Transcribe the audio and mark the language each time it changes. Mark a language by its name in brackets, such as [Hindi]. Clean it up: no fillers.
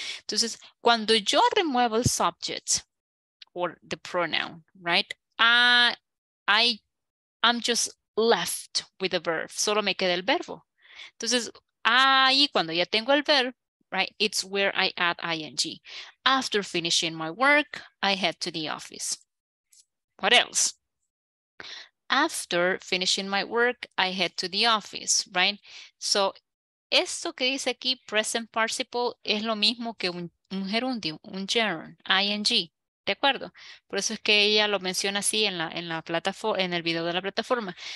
[Spanish] Entonces, cuando yo remuevo el subject, [English] or the pronoun, right? I'm just left with the verb. [Spanish] Solo me queda el verbo. Entonces, ahí cuando ya tengo el verb, right? [English] It's where I add ing. After finishing my work, I head to the office. What else? After finishing my work, I head to the office, right? [Spanish] So, esto que dice aquí, present participle, es lo mismo que un gerundio, un gerund, ing. ¿De acuerdo? Por eso es que ella lo menciona así en la plataforma, en el video de la plataforma.